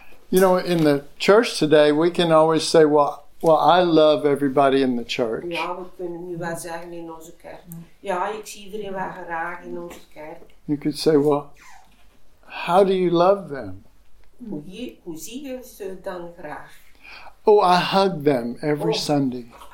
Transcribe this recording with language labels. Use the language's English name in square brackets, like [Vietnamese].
[English] You know, in the church today, we can always say, well, I love everybody in the church. [Dutch] Ja, we kunnen nu wel zeggen in onze kerk. Ja, ik zie iedereen wel graag in onze kerk. [English] You could say, well, how do you love them? [Dutch] Hoe zie je ze dan graag? [English] Oh, I hug them every Sunday.